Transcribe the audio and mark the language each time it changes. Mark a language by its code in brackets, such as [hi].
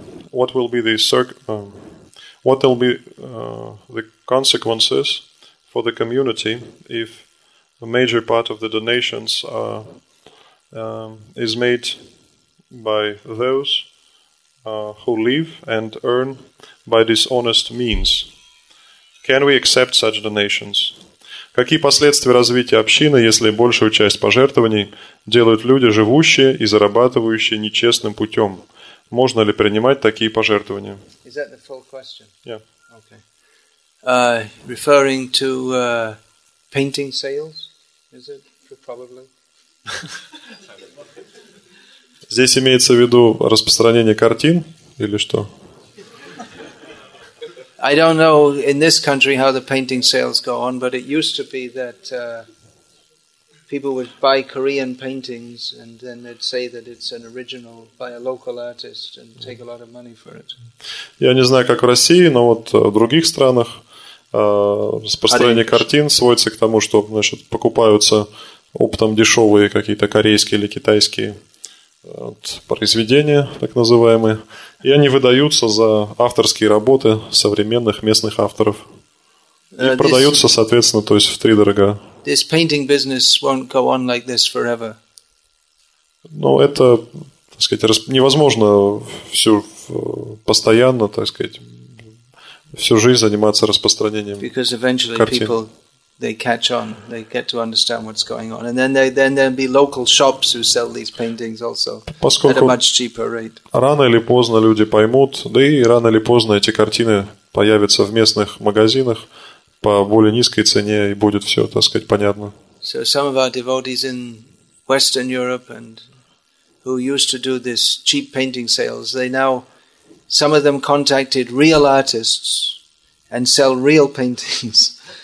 [en] what will be the what will be the consequences for the community if a major part of the donations are is made by those who live and earn by dishonest means. Can we accept such donations? [ru] Какие последствия развития общины, если большую часть пожертвований делают люди, живущие и зарабатывающие нечестным путем? Можно ли принимать такие пожертвования? [en] Is that the full question? Yeah. Okay. Referring to painting sales? Is it probably? [ru] Здесь имеется в виду распространение картин или что? [en] I don't know in this country how the painting sales go on, but it used to be that people would buy Korean paintings and then they'd say that it's an original by a local artist and take a lot of money for it. [ru] Я не знаю, как в России, но вот в других странах распространение картин сводится к тому, что, значит, покупаются оптом дешевые какие-то корейские или китайские произведения, так называемые, и они выдаются за авторские работы современных местных авторов. И продаются, соответственно, то есть втридорога. [en] This painting business won't go on like this forever. [ru] Но это, так сказать, невозможно все постоянно, так сказать, всю жизнь заниматься распространением картин. [en] Because eventually people, they catch on, they get to understand what's going on. And then there'll be local shops who sell these paintings also at a much cheaper rate. [ru] Рано или поздно люди поймут, да и рано или поздно эти картины появятся в местных магазинах по более низкой цене, и будет все, так сказать, понятно. [en] So some of our devotees in Western Europe and who used to do this cheap painting sales, they now, some of them contacted real artists and sell real paintings.